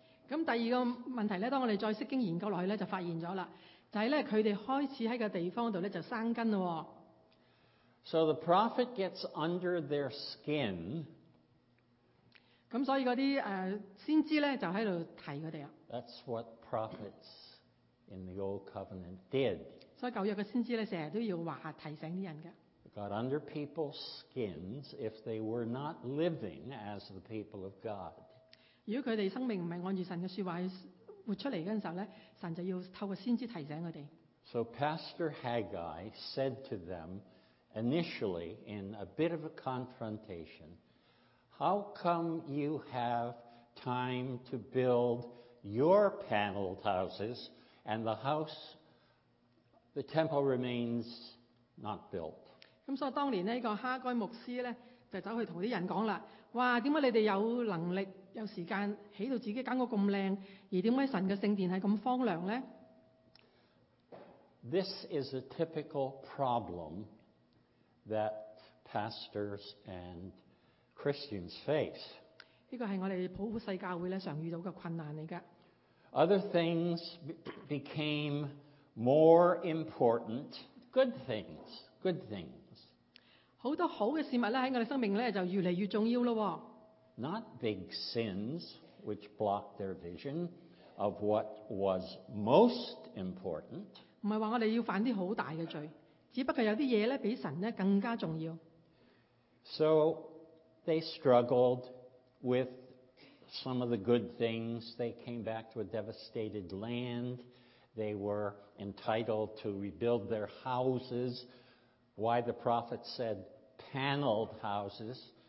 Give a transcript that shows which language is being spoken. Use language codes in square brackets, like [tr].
[yue] 咁第二個問題咧，當我哋再釋經研究落去咧，就發現咗啦，就係咧佢哋開始喺個地方度咧就生根咯。 [en] So the prophet gets under their skin. [yue] 咁所以嗰啲先知咧就喺度提佢哋啊。 [en] That's what prophets in the old covenant did. [yue] 所以舊約嘅先知咧成日都要話提醒啲人嘅。 [en] Got under people's skins if they were not living as the people of God. [yue] 如果佢哋生命唔係按住神嘅説話活出嚟嗰陣時候咧，神就要透過先知提醒佢哋。 [en] So Pastor Haggai said to them initially in a bit of a confrontation, "How come you have time to build your paneled houses and the house, the temple remains not built?" [yue] 咁所以當年咧，個哈該牧師咧就走去同啲人講啦：，哇，點解你哋有能力？有時間起到自己間屋咁靚，而點解神嘅聖殿係咁荒涼呢？ [en] This is a typical problem that pastors and Christians face. [yue] 呢個係我哋普世教會咧常遇到嘅困難嚟㗎。 [en] Other things became more important. Good things. [yue] 好多好嘅事物咧喺我哋生命咧就越嚟越重要咯。 [en] Not big sins which blocked their vision of what was most important. [yue] 唔係話我哋要犯啲好大嘅罪，只不過有啲嘢咧比神咧更加重要。 [en] So they struggled with some of the good things. They came back to a devastated land. They were entitled to rebuild their houses. Why the prophet said paneled houses.